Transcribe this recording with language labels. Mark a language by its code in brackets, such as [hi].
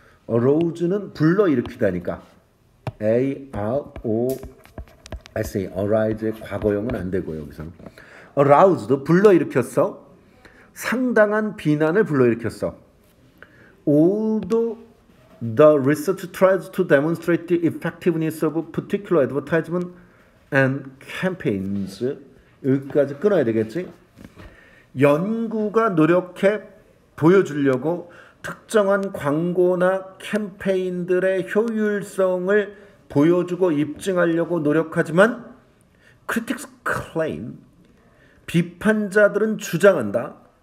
[ko] arouse는 불러일으키다니까. A-R-O-S-A arise의 과거형은 안 되고요. 여기서는 aroused 불러일으켰어. 상당한 비난을 불러일으켰어. [en] Although the research tries to demonstrate the effectiveness of particular advertisement and campaigns. [ko] 여기까지 끊어야 되겠지? 연구가 노력해 보여주려고 특정한 광고나 캠페인들의 효율성을 보여주고 입증하려고 노력하지만 [en] critics claim, [ko] 비판자들은 주장한다.